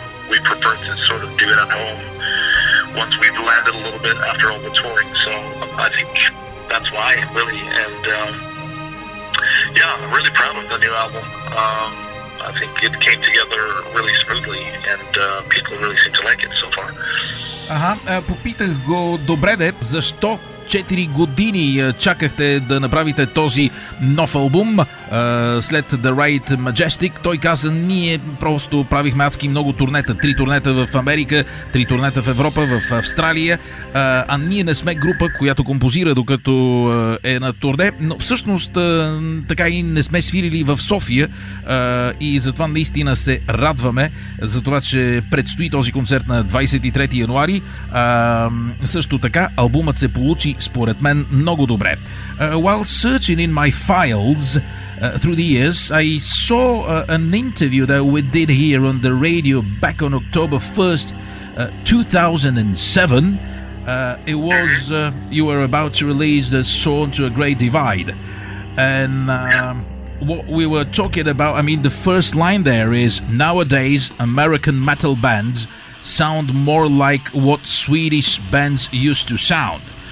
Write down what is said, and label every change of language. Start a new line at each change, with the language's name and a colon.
English: We prefer to sort of do it at home once we've landed a little bit after all the touring. So I think that's why, really. And I'm really proud of the new album. I think it came together really smoothly, and people really seem to like it so far.
Bulgarian: Ага, попитах го, добре де, защо 4 години чакахте да направите този нов албум след The Riot Majestic? Той каза, ние просто правихме адски много турнета. 3 турнета в Америка, 3 турнета в Европа, в Австралия, а ние не сме група, която композира докато е на турне, но всъщност така и не сме свирили в София и затова наистина се радваме за това, че предстои този концерт на 23 януари. Също така, албумът се получи според мен много добре.
English: While searching in my files through the years, I saw an interview that we did here on the radio back on October 1st, 2007. It was you were about to release the song To a Great Divide, and what we were talking about, I mean, the first line there is, nowadays American metal bands sound more like what Swedish bands used to sound.